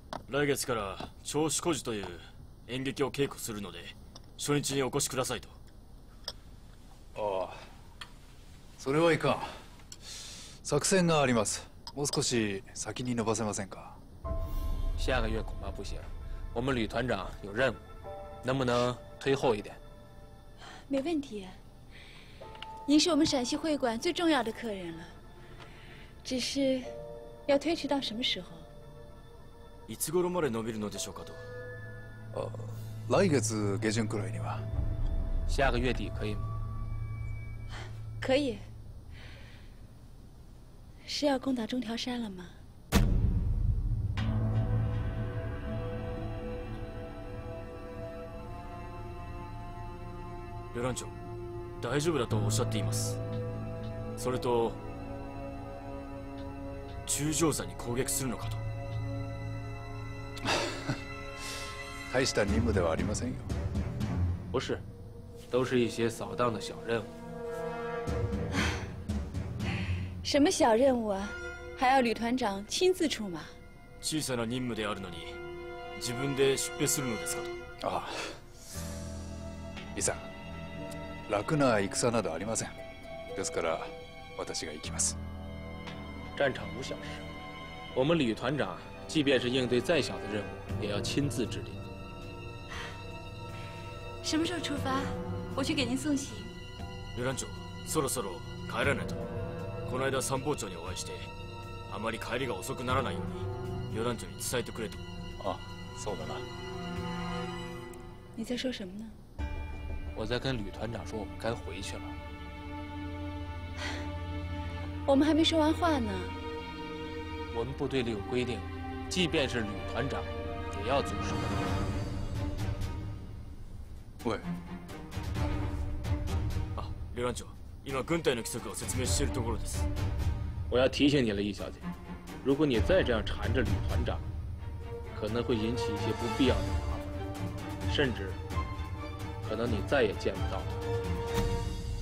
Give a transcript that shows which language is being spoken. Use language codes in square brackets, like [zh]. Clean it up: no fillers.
[ja] 来月から聴取孤児という演劇を稽古するので、初日にお越しくださいと。ああ、それはいかん。作戦があります。もう少し先に延ばせませんか。 [zh] 下个月恐怕不行。我们旅团长有任务，能不能推后一点？没问题。您是我们陕西会馆最重要的客人了，只是。要推迟到什么时候？ [ja] いつ頃まで伸びるのでしょうかと。来月下旬くらいには。 [zh] 下个月底可以吗？可以。是要攻打中条山了吗？ [ja] 旅団長、大丈夫だとおっしゃっています。それと。中条山に攻撃するのかと。大した任務ではありませんよ。 [zh] 不是，都是一些扫荡的小任务。什么小任务啊？还要旅团长亲自出马？小さな任務であるのに、自分で出兵するのですかと。 [ja] あ、いざ、楽な戦などありません。ですから、私が行きます。 [zh] 战场无小事，我们旅团长即便是应对再小的任务，也要亲自指令。什么时候出发？我去给您送行。 [ja] 旅団長、そろそろ帰らないと。この間参謀長にお会いして、あまり帰りが遅くならないように旅団長に伝えてくれと。あ、そうだな。 [zh] 你在说什么呢？我在跟旅团长说我们该回去了。我们还没说完话呢。我们部队里有规定，即便是旅团长，也要遵守。喂。 [ja] 啊，旅团长，今军队的规则を説明しているところです。 [zh] 我要提醒你了，易小姐，如果你再这样缠着旅团长，可能会引起一些不必要的麻烦，甚至可能你再也见不到他。